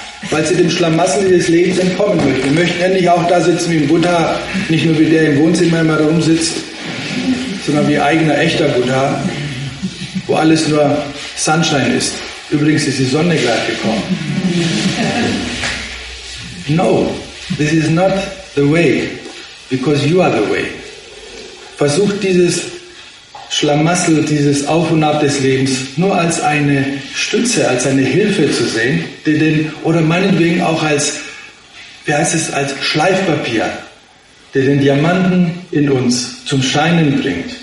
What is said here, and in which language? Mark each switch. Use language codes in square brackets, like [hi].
[de] Weil sie dem Schlamassel des Lebens entkommen möchten. Die möchten endlich auch da sitzen wie ein Buddha, nicht nur wie der im Wohnzimmer immer rumsitzt, sondern wie eigener, echter Buddha, wo alles nur Sunshine ist. Übrigens ist die Sonne gleich gekommen. [en] No, this is not the way, because you are the way. [de] Versucht dieses Schlamassel, dieses Auf und Ab des Lebens nur als eine Stütze, als eine Hilfe zu sehen, oder meinetwegen auch als, wie heißt es, als Schleifpapier, der den Diamanten in uns zum Scheinen bringt.